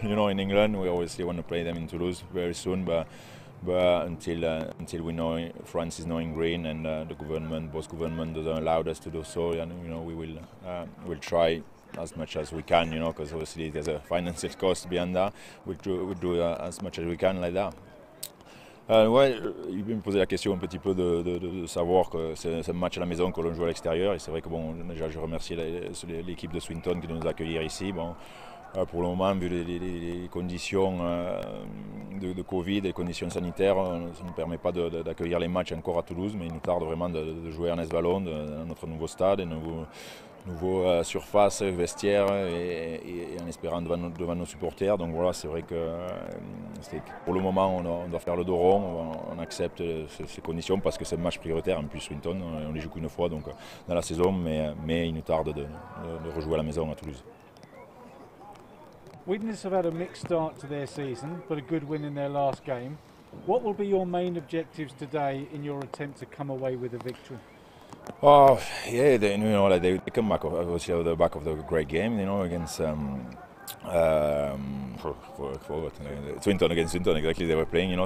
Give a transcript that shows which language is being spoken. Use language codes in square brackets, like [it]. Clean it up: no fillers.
[en] You know, in England, we obviously want to play them in Toulouse very soon, but until we know France is knowing green and the government, both government, doesn't allow us to do so, and you know, we will we'll try as much as we can. You know, because obviously there's a financial cost behind that. We'll do as much as we can like that. [fr] Ouais, il me posait la question un petit peu de savoir que c'est un match à la maison que l'on joue à l'extérieur. Et c'est vrai que bon, déjà je remercie l'équipe de Swinton qui de nous accueillir ici. Bon, pour le moment, vu les conditions de Covid, les conditions sanitaires, ça ne nous permet pas d'accueillir les matchs encore à Toulouse, mais il nous tarde vraiment de jouer à Nesballon, dans notre nouveau stade, et nouveau surface, vestiaire et en espérant devant nos supporters. Donc voilà, c'est vrai que c'est, pour le moment, on doit faire le dos rond, on accepte ces conditions parce que c'est un match prioritaire. En plus, Swinton, on ne les joue qu'une fois donc, dans la saison, mais il nous tarde de rejouer à la maison à Toulouse. [en] Widnes have had a mixed start to their season, but a good win in their last game. What will be your main objectives today in your attempt to come away with a victory? Oh yeah, they come back obviously out of the back of the great game, you know, against Swinton, against Swinton, exactly they were playing, you know.